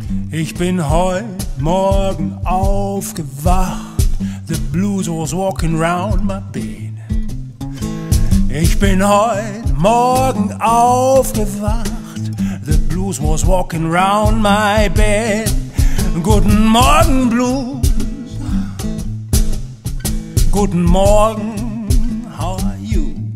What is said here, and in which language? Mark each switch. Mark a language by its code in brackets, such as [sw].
[de] Ich bin heute Morgen aufgewacht. [en] The blues was walking round my bed. [de] Ich bin heute Morgen aufgewacht. [en] The blues was walking round my bed. [de] Guten Morgen, Blues. Guten Morgen, [en] how are you?